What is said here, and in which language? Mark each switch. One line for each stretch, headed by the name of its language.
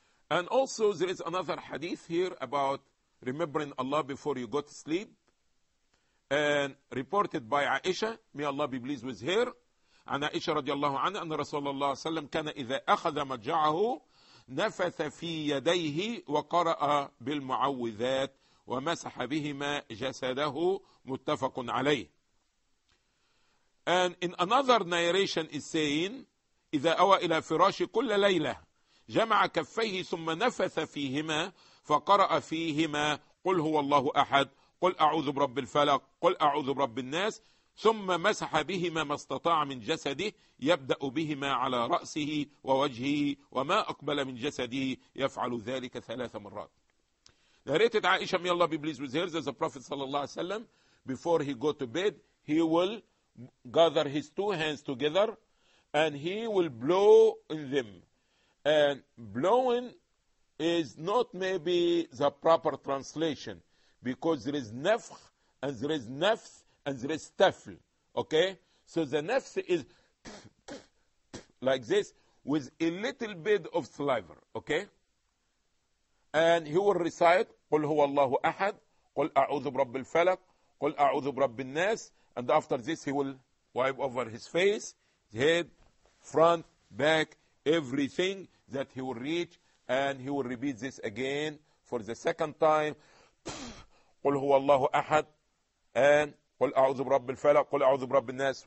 English: And also, there is another hadith here about remembering Allah before you go to sleep. And reported by Aisha, may Allah be pleased with her. And Aisha radiallahu anha, and Rasulullah sallam,
Arabic: kana idha akhadha majja'ahu, نفث في يديه وقرأ بالمعوذات ومسح بهما جسده، متفق عليه.
English: And in another narration is saying,
Arabic: إذا أوى إلى فراش كل ليلة جمع كفيه ثم نفث فيهما فقرأ فيهما قل هو الله أحد، قل أعوذ برب الفلق، قل أعوذ برب الناس، ثم مسح بهما ما استطاع من جسده، يبدأ بهما على رأسه ووجهه وما أقبل من جسده، يفعل ذلك 3
English: times. Narrated Aisha, may Allah be pleased with her, that the Prophet sallallahu alaihi wasallam, before he go to bed, he will gather his 2 hands together and he will blow in them. And blowing is not maybe the proper translation, because there is nafkh and there is nafth and there is tafl. Okay? So the nafth is like this with a little bit of saliva. Okay?
Arabic: And he will recite, قُلْ هُوَ اللَّهُ أَحَدْ قُلْ أَعُوذُ بْرَبِّ الْفَلَقْ قُلْ أَعُوذُ بْرَبِّ النَّاسِ.
English: And after this, he will wipe over his face, his head, front, back, everything that he will reach. And he will repeat this again for the 2nd time.
Arabic: قُلْ هُوَ اللَّهُ أَحَدْ And قُلْ أَعُوذُ بْرَبِّ الْفَلَقْ قُلْ أَعُوذُ بْرَبِّ النَّاسِ.